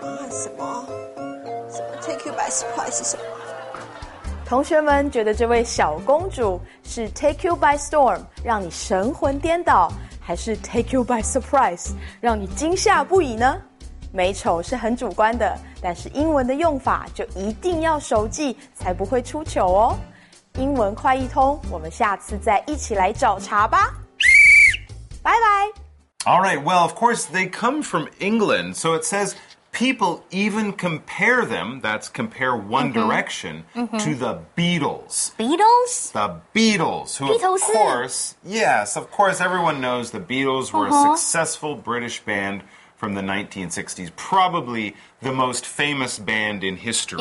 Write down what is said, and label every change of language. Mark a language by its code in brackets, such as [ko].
[zh] 什么 [en] take you by surprise [zh] 是什么？同学们觉得这位小公主是 [en] take you by storm [zh] 让你神魂颠倒，还是 [en] take you by surprise [zh] 让你惊吓不已呢？美丑是很主观的，但是英文的用法就一定要熟记，才不会出糗哦。英文快译通，我们下次再一起来找茬吧，拜拜。 [en] Alright, well of course they come from England, so it saysPeople even compare them, that's compare One mm-hmm. Direction, mm-hmm. to the Beatles. Beatles? The Beatles, who Beatles? Of course, yes, of course everyone knows the Beatles were a successful British band from the 1960s, probably the most famous band in history.